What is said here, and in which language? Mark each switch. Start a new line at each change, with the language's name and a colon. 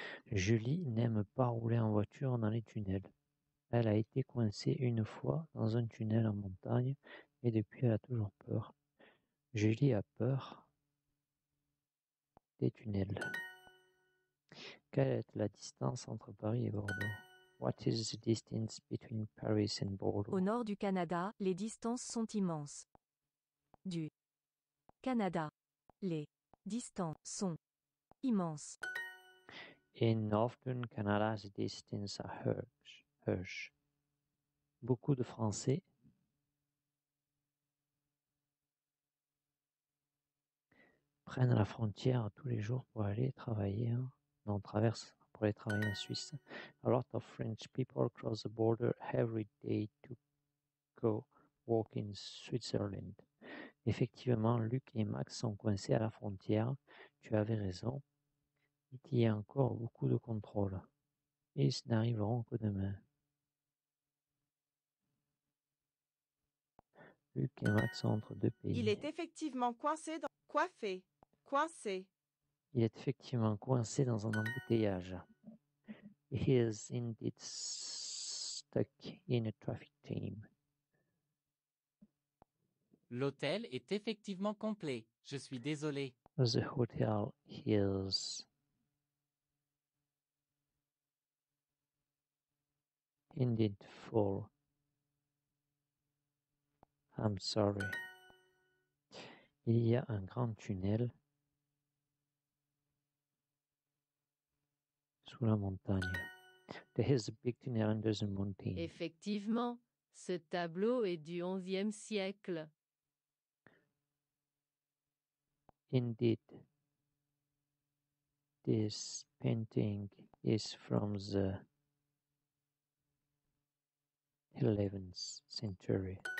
French: Julie n'aime pas rouler en voiture dans les tunnels. Elle a été coincée une fois dans un tunnel en montagne et depuis elle a toujours peur. Julie a peur des tunnels. Quelle est la distance entre Paris et Bordeaux?
English: What is the distance between Paris and Bordeaux?
French: Au nord du Canada, les distances sont immenses. Du Canada. Les distances sont immenses.
English: In northern Canada, the distances are huge.
French: Beaucoup de Français prennent la frontière tous les jours pour aller travailler. Non, traverse pour aller travailler en Suisse.
English: A lot of French people cross the border every day to go walk in Switzerland.
French: Effectivement, Luc et Max sont coincés à la frontière. Tu avais raison. Il y a encore beaucoup de contrôles. Ils n'arriveront que demain. Luc et Max sont entre deux pays. Il est effectivement coincé dans... Coiffé. Coincé. Il est effectivement coincé dans un embouteillage.
English: He is indeed stuck in a traffic jam.
French: L'hôtel est effectivement complet. Je suis désolé.
English: The hotel is indeed full. I'm sorry.
French: Il y a un grand tunnel sous la montagne.
English: There is a big tunnel under the mountain.
French: Effectivement, ce tableau est du 11e siècle.
English: Indeed, this painting is from the 11th century.